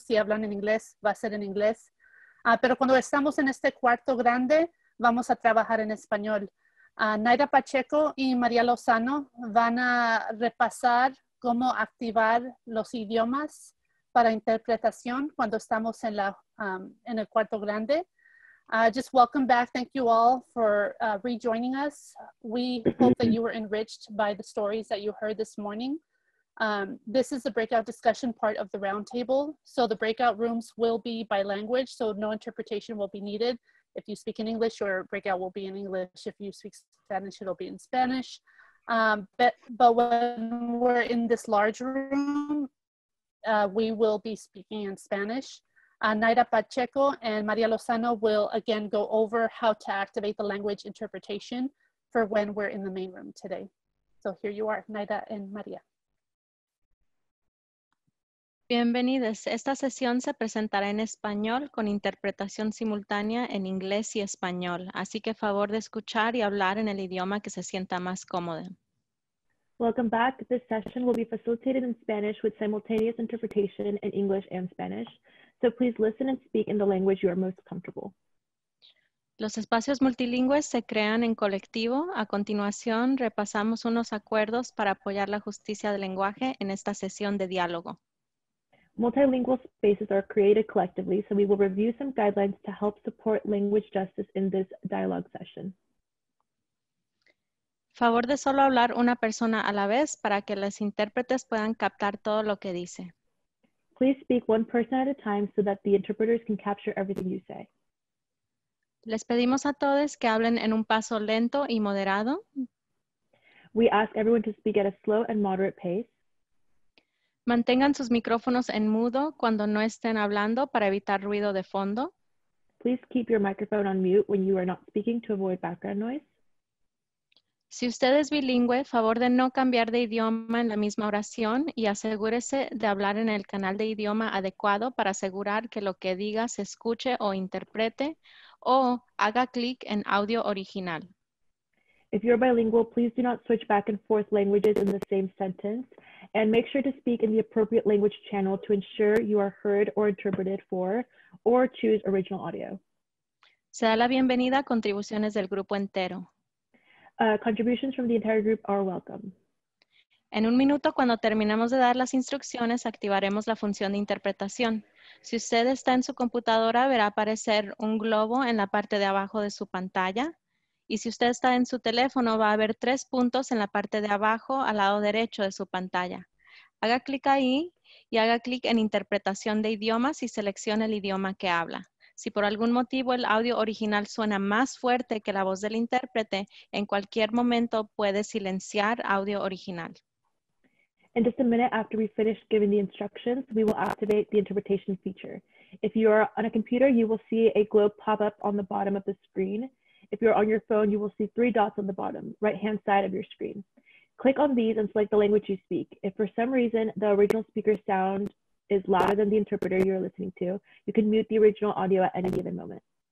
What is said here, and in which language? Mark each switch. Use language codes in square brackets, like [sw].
[es] Si hablan en inglés, va a ser en inglés. Pero cuando estamos en este cuarto grande, vamos a trabajar en español. Naira Pacheco y María Lozano van a repasar cómo activar los idiomas para interpretación cuando estamos en, en el cuarto grande. [en] Just welcome back. Thank you all for rejoining us. We hope that you were enriched by the stories that you heard this morning. This is the breakout discussion part of the roundtable. So the breakout rooms will be by language, so no interpretation will be needed. If you speak in English, your breakout will be in English. If you speak Spanish, it'll be in Spanish. But when we're in this large room, we will be speaking in Spanish. Naira Pacheco and Maria Lozano will again go over how to activate the language interpretation for when we're in the main room today. So here you are, Naira and Maria. [es] Bienvenidos. Esta sesión se presentará en español con interpretación simultánea en inglés y español. Así que favor de escuchar y hablar en el idioma que se sienta más cómodo. [en] Welcome back. This session will be facilitated in Spanish with simultaneous interpretation in English and Spanish. So please listen and speak in the language you are most comfortable. [es] Los espacios multilingües se crean en colectivo. A continuación, repasamos unos acuerdos para apoyar la justicia del lenguaje en esta sesión de diálogo. [en] Multilingual spaces are created collectively, so we will review some guidelines to help support language justice in this dialogue session. [es] Favor de solo hablar una persona a la vez para que los intérpretes puedan captar todo lo que dice. [en] Please speak one person at a time so that the interpreters can capture everything you say. [es] Les pedimos a todos que hablen en un paso lento y moderado. [en] We ask everyone to speak at a slow and moderate pace. [es] Mantengan sus micrófonos en mudo cuando no estén hablando para evitar ruido de fondo. [en] Please keep your microphone on mute when you are not speaking to avoid background noise. [es] Si usted es bilingüe, favor de no cambiar de idioma en la misma oración y asegúrese de hablar en el canal de idioma adecuado para asegurar que lo que diga se escuche o interprete o haga clic en audio original. [en] If you're bilingual, please do not switch back and forth languages in the same sentence and make sure to speak in the appropriate language channel to ensure you are heard or interpreted for or choose original audio. [es] Se da la bienvenida a contribuciones del grupo entero. [en] Contributions from the entire group are welcome. [es] En un minuto, cuando terminemos de dar las instrucciones, activaremos la función de interpretación. Si usted está en su computadora, verá aparecer un globo en la parte de abajo de su pantalla. Y si usted está en su teléfono, va a haber tres puntos en la parte de abajo, al lado derecho de su pantalla. Haga clic ahí y haga clic en interpretación de idiomas y seleccione el idioma que habla. Si por algún motivo el audio original suena más fuerte que la voz del intérprete, en cualquier momento puede silenciar audio original. [en] In just a minute after we finish giving the instructions, we will activate the interpretation feature. If you are on a computer, you will see a globe pop up on the bottom of the screen. If you're on your phone, you will see three dots on the bottom, right-hand side of your screen. Click on these and select the language you speak. If for some reason the original speaker sound is louder than the interpreter you're listening to, you can mute the original audio at any given moment.